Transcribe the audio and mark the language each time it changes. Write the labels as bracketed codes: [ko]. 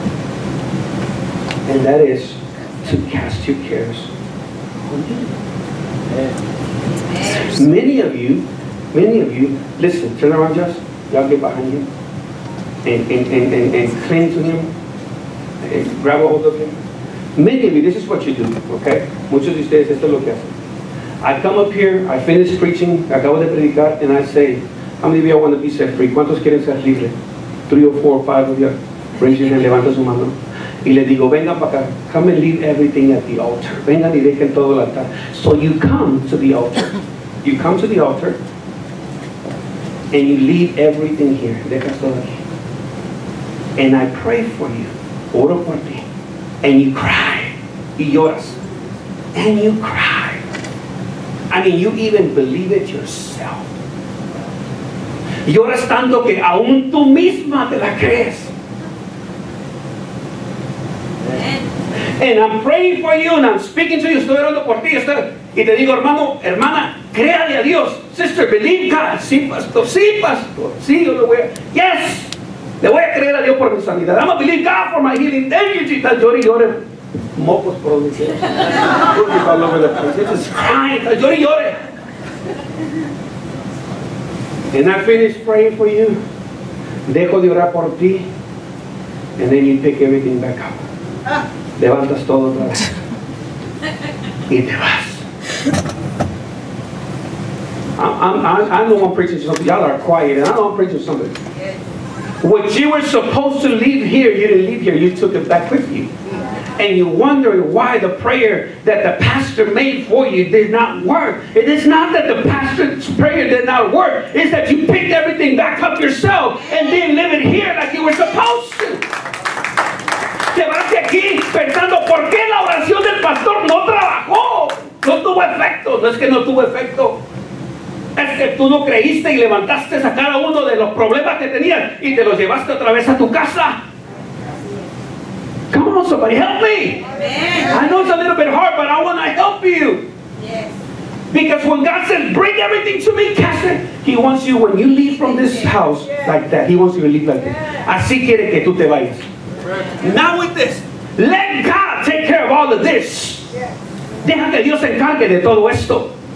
[en] And that is to cast your cares on you. Many of you, listen, turn around, just y'all get behind him. And cling to him. And grab a hold of him. Many of you, this is what you do, okay? [es] Muchos de ustedes, esto es lo que hacen. [en] I come up here, I finish preaching, [es] acabo de predicar, [en] and I say, how many of you want to be set free? [es] ¿Cuántos quieren ser libres? [en] 3 or 4 or 5 of you. Raise your hand, [es] levanta su mano. Y le digo, vengan para acá. [en] Come and leave everything at the altar. [es] Vengan y dejen todo el altar. [en] So you come to the altar. You come to the altar. And you leave everything here. [es] Deja todo aquí. [en] And I pray for you. [es] Oro por ti. [en] And you cry. [es] Y lloras. [en] And you cry. I mean, you even believe it yourself. [es] Lloras tanto que aún tú misma te la crees. [en] And I'm praying for you and I'm speaking to you. [es] Estoy orando por ti. Y te digo, hermano, hermana, créale a Dios. [en] Sister, believe God. [es] Sí, pastor. Sí, yo le voy a... Yes. Le voy a creer a Dios por mi sanidad. [en] I'm going to believe God for my healing. Then you just [es] llore y llore. Mocos por donde quieras. Llore y llore. [en] And I finish praying for you. Dejo de orar por ti. And then you pick everything back up. Levantas todo otra vez. [es] Y te vas. [en] I'm the one preaching something. Y'all are quiet. And I know I'm preaching something. What you were supposed to leave here, you didn't leave here. You took it back with you. And you're wondering why the prayer that the pastor made for you did not work. It is not that the pastor's prayer did not work. It's that you picked everything back up yourself and didn't live it here like you were supposed to. [es] Te vas aquí pensando, ¿por qué la oración del pastor no trabajó? No tuvo efecto. No es que no tuvo efecto. Es veces tú no creíste y levantaste a cada uno de los problemas que tenías y te los llevaste otra vez a tu casa. [en] Come on, somebody, help me. Amen. I know it's a little bit hard, but I want to help you. Yes. Because when God says, bring everything to me, cast it, He wants you, when you leave from this house like that, He wants you to leave like that. [es] Así quiere que tú te vayas. [en] Now with this, let God take care of all of this. [es] Deja que Dios se encargue de todo esto.